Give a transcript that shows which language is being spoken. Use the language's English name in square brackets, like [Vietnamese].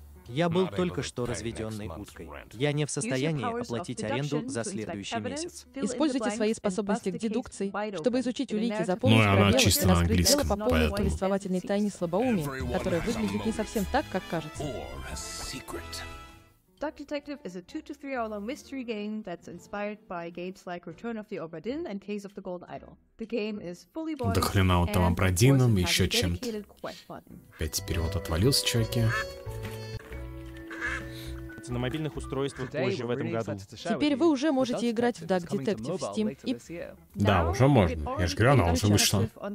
[Russian] Я был только что разведенной уткой. Я не в состоянии оплатить аренду за следующий месяц. Используйте свои способности к дедукции, чтобы изучить улики, заполнить пробелы, раскрыть дело по полной повествовательной тайне слабоумия, которая выглядит не совсем так, как кажется. [English] Duck Detective is a 2-3 hour long mystery game that's inspired by games like Return of the Obra Dinn and Case of the Golden Idol. The game is fully voiced. [Russian] Да хрена вот там Обра Динном и еще чем-то. Опять перевод отвалился, чуваки. На мобильных устройствах позже в этом году. Теперь вы уже можете играть в Duck Detective в Steam и... Да, уже можно. Я же говорю, она уже вышла.